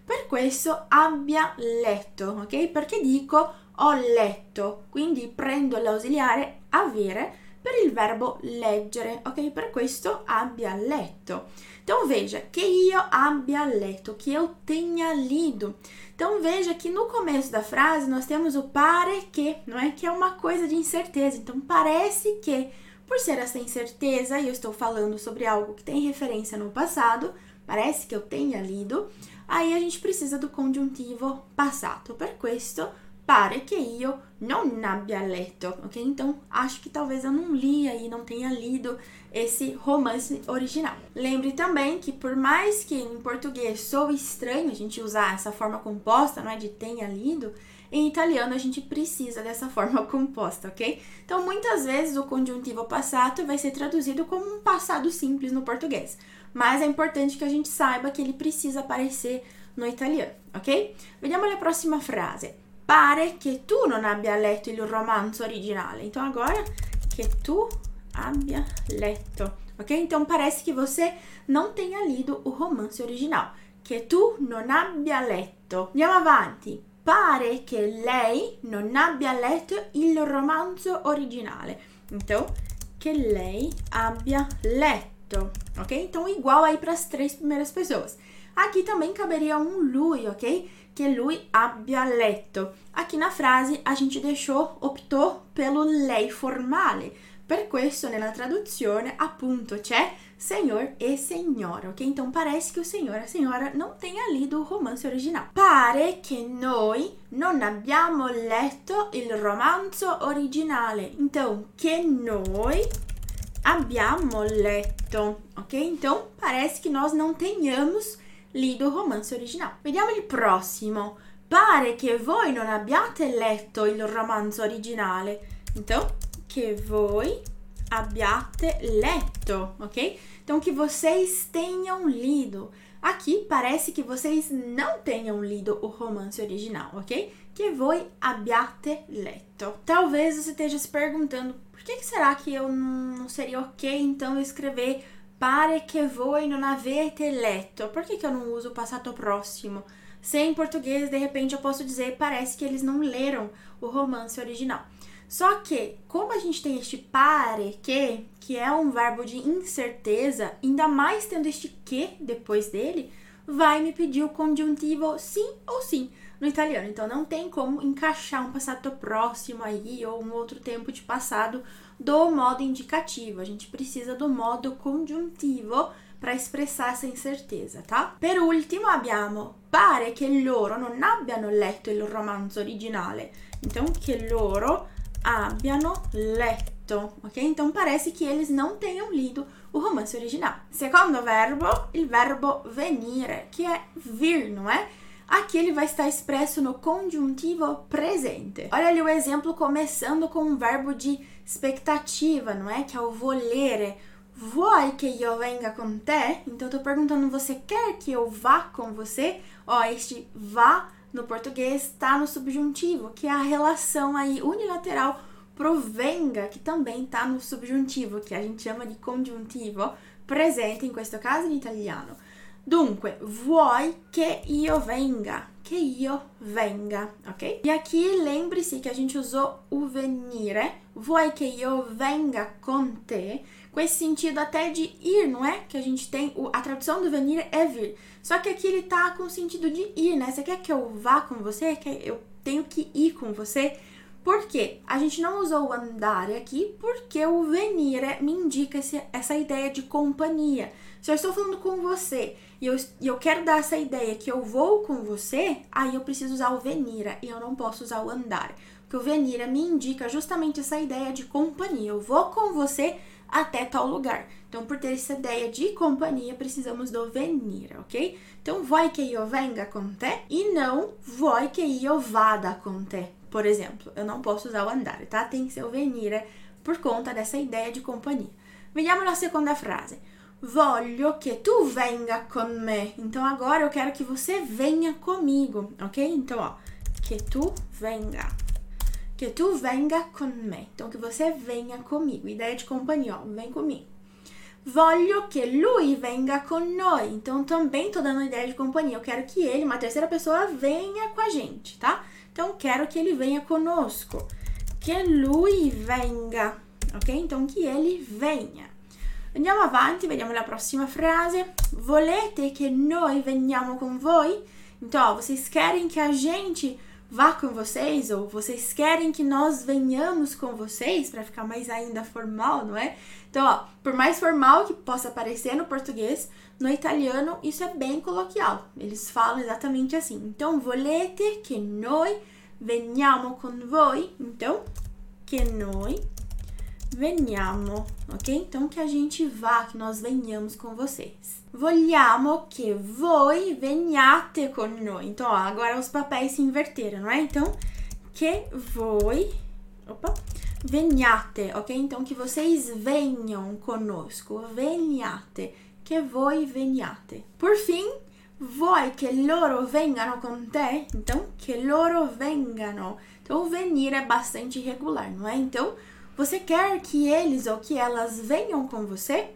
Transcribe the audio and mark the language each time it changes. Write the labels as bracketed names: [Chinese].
[Italian] Per questo abbia letto, ok? Perché dico ho letto, quindi prendo l'ausiliare avere per il verbo leggere, ok? Per questo abbia letto. [Portuguese] Então veja, [Italian] che io abbia letto, che io [Portuguese] tenha lido. Então veja que no começo da frase nós temos o pare que, não é? Que é uma coisa de incerteza. Então parece que, por ser essa incerteza, e eu estou falando sobre algo que tem referência no passado, parece que eu tenha lido. Aí a gente precisa do congiuntivo passato. [Italian] Per questo, pare che io non abbia letto, ok? [Portuguese] Então, acho que talvez eu não li aí, não tenha lido esse romance original. Lembre também que por mais que em português soe estranho a gente usar essa forma composta, não é, de tenha lido, em italiano a gente precisa dessa forma composta, ok? Então, muitas vezes o congiuntivo passato vai ser traduzido como um passado simples no português. Mas é importante que a gente saiba que ele precisa aparecer no italiano, ok? [Italian] Vediamo la prossima frase. Pare che tu non abbia letto il romanzo originale. [Portuguese] Então, agora, [Italian] che tu abbia letto, ok? [Portuguese] Então, parece que você não tenha lido o romance original. [Italian] Che tu non abbia letto. Andiamo avanti. Pare che lei non abbia letto il romanzo originale. Então, che lei abbia letto. Ok? [Portuguese] Então, igual aí para as três primeiras pessoas. Aqui também caberia um lui, ok? Que lui abbia letto. Aqui na frase a gente deixou, optou pelo lei formale. [Italian] Per questo, nella traduzione, appunto, c'è [Portuguese] senhor e senhora, [Italian] ok? [Portuguese] Então, parece que o senhor e a senhora não tenha lido o romance original. [Italian] Pare que noi non abbiamo letto il romanzo originale. Então, che noi abbiamo letto, ok? [Portuguese] Então, parece que nós não tenhamos lido o romance original. [Italian] Vediamo il prossimo. Pare che voi non abbiate letto il romance originale. Então, che voi abbiate letto, ok? [Portuguese] Então, que vocês tenham lido. Aqui parece que vocês não tenham lido o romance original, ok? Que voi abbiate letto. Talvez você esteja se perguntando, por que será que eu não seria ok então escrever [Italian] pare que voi non avete letto? [Portuguese] Por que que eu não uso o passato próximo? Se em português, de repente, eu posso dizer parece que eles não leram o romance original. Só que, como a gente tem este pare que é um verbo de incerteza, ainda mais tendo este que depois dele, vai me pedir o conjuntivo sim ou sim no italiano. Então, não tem como encaixar um passato próximo aí ou um outro tempo de passado do modo indicativo. A gente precisa do modo conjuntivo para expressar essa incerteza, tá? [Italian] Per último, abbiamo pare che loro non abbiano letto il romanzo originale. Então, che loro abbiano letto, ok? [Portuguese] Então parece que eles não tenham lido o romance original. [Italian] Secondo verbo, il verbo venire, [Portuguese] que é vir, não é? Aqui ele vai estar expresso no congiuntivo presente. Olha ali o exemplo começando com um verbo de expectativa, não é? Que é o volere. [Italian] Vuoi che io venga con te? [Portuguese] Então eu tô perguntando, você quer que eu vá com você? Ó, este vá no português está no subjuntivo, que é a relação aí unilateral provenga, que também está no subjuntivo, que a gente chama de congiuntivo presente, em questo caso, em italiano. [Italian] Dunque, vuoi che io venga? Che io venga, [Portuguese] ok? E aqui lembre-se que a gente usou o venire. [Italian] Vuoi che io venga con te? [Portuguese] Com esse sentido até de ir, não é? Que a gente tem a tradução do venire é vir. Só que aqui ele tá com o sentido de ir, né? Você quer que eu vá com você? Quer, eu tenho que ir com você? Porque a gente não usou o andare aqui, porque o venire me indica essa ideia de companhia. Se eu estou falando com você e eu quero dar essa ideia que eu vou com você, aí eu preciso usar o venire e eu não posso usar o andare. Porque o venire me indica justamente essa ideia de companhia. Eu vou com você até tal lugar. Então, por ter essa ideia de companhia, precisamos do venire, ok? [Italian] Então, vuoi che io venga con te? E não vuoi che io vada con te? [Portuguese] Por exemplo, eu não posso usar o andare, tá? Tem que ser o venire por conta dessa ideia de companhia. [Italian] Vediamo la seconda frase. Voglio che tu venga con me. [Portuguese] Então agora eu quero que você venha comigo, ok? [Italian] Então, ó, che tu venga. Che tu venga con me. [Portuguese] Então que você venha comigo. Ideia de companhia, ó, vem comigo. [Italian] Voglio che lui venga con noi. [Portuguese] Então também tô dando ideia de companhia. Eu quero que ele, uma terceira pessoa, venha com a gente, tá? Então, quero que ele venha conosco. [Italian] Que lui venga. [Portuguese] Ok? Então, que ele venha. [Italian] Andiamo avanti, vediamo la prossima frase. Volete che noi veniamo con voi? [Portuguese] Então, ó, vocês querem que a gente vá com vocês? Ou vocês querem que nós venhamos com vocês? Para ficar mais ainda formal, não é? Então, ó, por mais formal que possa parecer no português, no italiano isso é bem coloquial. Eles falam exatamente assim. [Italian] Então, volete che noi veniamo con voi? Então, che noi veniamo, ok? [Portuguese] Então, que a gente vá, que nós venhamos com vocês. [Italian] Vogliamo che voi veniate con noi. [Portuguese] Então, ó, agora os papéis se inverteram, não é? Então, [Italian] che voi, opa, veniate, [Portuguese] ok? Então, que vocês venham conosco. [Italian] Veniate, che voi veniate. [Portuguese] Por fim, [Italian] vuoi che loro vengano con te? Então, che loro vengano. [Portuguese] Então, o venire é bastante irregular, não é? Então, você quer que eles ou que elas venham com você?